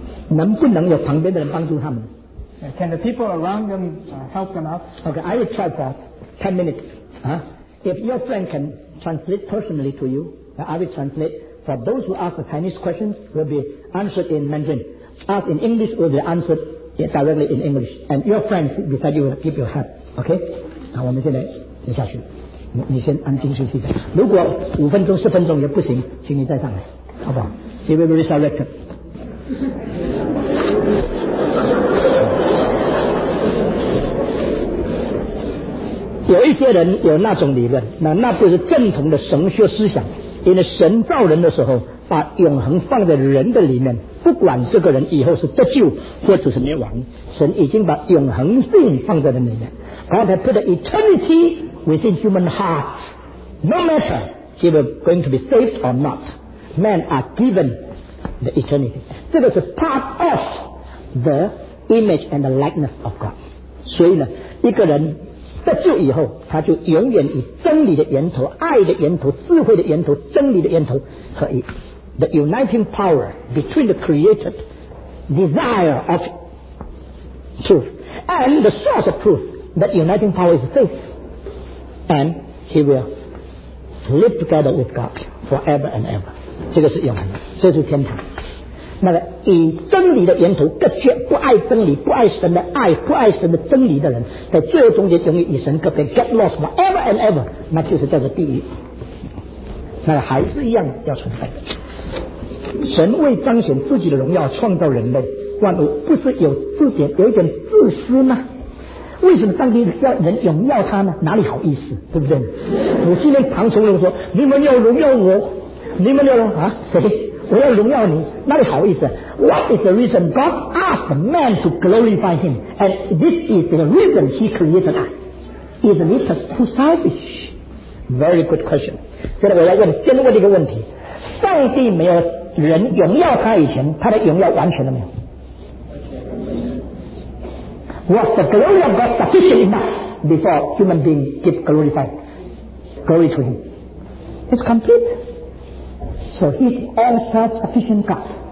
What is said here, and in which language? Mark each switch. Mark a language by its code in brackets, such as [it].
[zh] 能不能有旁边的人帮助他们？ [en] Can the people around them help them out? OK, I will try for 10 minutes. If your friend can translate personally to you, I will translate. For those who ask the Chinese questions, will be answered in Mandarin. Ask in English, will be answered directly in English. And your friends beside you will keep your hand. OK? [zh] 好，我们现在接下去，你先安静休息一下。如果五分钟、十分钟也不行，请你再上来，好不好 ？ [en] You will be resurrected. [zh] (笑) 有一些人有那种理论，那不是正统的神学思想。因为神造人的时候，把永恒放在人的里面，不管这个人以后是得救或者是灭亡，神已经把永恒性放在了里面。 [en] God has put eternity within human hearts. No matter he was going to be saved or not, men are given the eternity. This is part of the image and the likeness of God. [zh] 所以呢，一个人得救以后，他就永远以真理的源头、爱的源头、智慧的源头、真理的源头和以 [en] the uniting power between the created desire of truth [zh] and the source of truth. [en] That uniting power is faith, and he will live together with God forever and ever. [zh] 这个是永恒，这是天堂。那个以真理的源头隔绝，不爱真理、不爱神的爱、不爱神的真理的人，在最后中间永远与神隔绝 ， [en] get lost forever and ever， [zh] 那就是叫做地狱。那个还是一样要存在的。神为彰显自己的荣耀，创造人类万物，不是有自点有点自私吗？为什么上帝要人荣耀他呢？哪里好意思，对不对？我今天唐崇荣说，你们要荣耀我，你们要啊谁？我要荣耀你，哪里好意思 [en] ？What is the reason God asked man to glorify Him? And this is the reason He created us. Isn't it too selfish? Very good question. [zh] 现在我要问，先问一个问题：上帝没有人荣耀他以前，他的荣耀完全了没有？ [en] Was the glory of God sufficient enough before human being give glorified glory to Him? It's complete. So He's all such sufficient God.